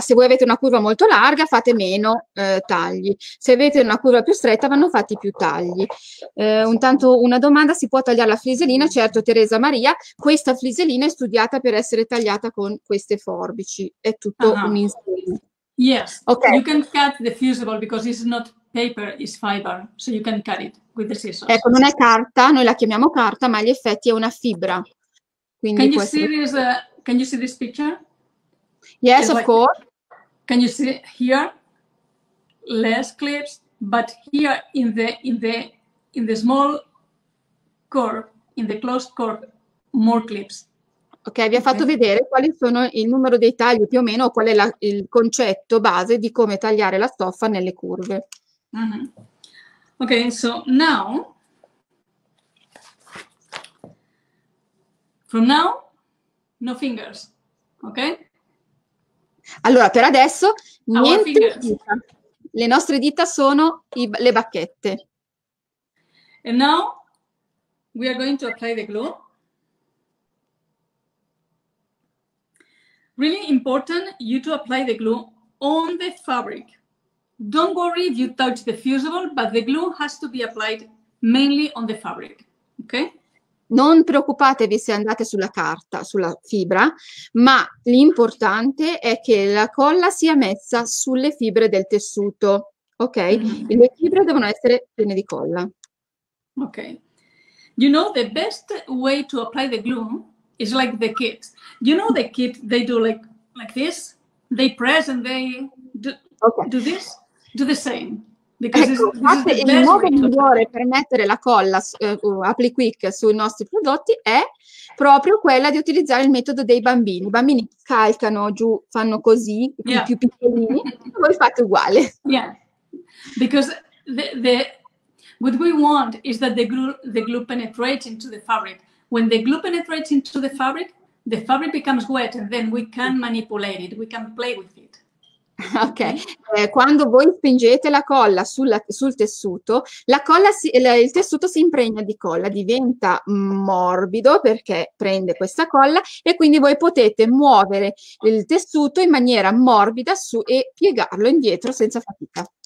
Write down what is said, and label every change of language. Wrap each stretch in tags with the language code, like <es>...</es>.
<it>Se voi avete una curva molto larga, fate meno tagli. Se avete una curva più stretta, vanno fatti più tagli. Intanto una domanda: si può tagliare la friselina? Certo, Teresa Maria, questa friselina è studiata per essere tagliata con queste forbici. È tutto un insieme.</it> <en>Yes. Okay. You can cut the fusible because it's not paper, it's fiber, so you can cut it with the scissors.</en> <it>Ecco, non è carta, noi la chiamiamo carta, ma gli effetti è una fibra. Quindi</it> <en>can you see this? Can you see this picture? Yes, it's of like, course. Can you see here? Less clips, but here in the small curve, in the closed curve, more clips.</en> <it>Ok, vi ha fatto vedere quali sono il numero dei tagli più o meno, o qual è il concetto base di come tagliare la stoffa nelle curve.</it> <en>Mm-hmm. Ok, so now, from now, no fingers, ok?</en> <it>Allora, per adesso, niente dita. Le nostre dita sono le bacchette.</it> <en>And now, we are going to apply the glue. Really important you to apply the glue on the fabric. Don't worry if you touch the fusible, but the glue has to be applied mainly on the fabric, ok?</en> <it>Non preoccupatevi se andate sulla carta, sulla fibra, ma l'importante è che la colla sia messa sulle fibre del tessuto, ok? Le fibre devono essere piene di colla. Ok.</it> <en>You know, the best way to apply the glue is like the kit. You know the kit they do like this? They press and they do this? Do the same.</en> <it>Ecco, il modo migliore per mettere la colla AppliQuick sui nostri prodotti è proprio quella di utilizzare il metodo dei bambini. I bambini calcano giù, fanno così, i più piccolini, e voi fate uguale.</it> <en>Yeah, because what we want is that the glue penetrates into the fabric. When the glue penetrates into the fabric becomes wet and then we can manipulate it, we can play with it.</en> <it>Ok, quando voi spingete la colla sul tessuto, il tessuto si impregna di colla, diventa morbido perché prende questa colla e quindi voi potete muovere il tessuto in maniera morbida su e piegarlo indietro senza fatica.</it>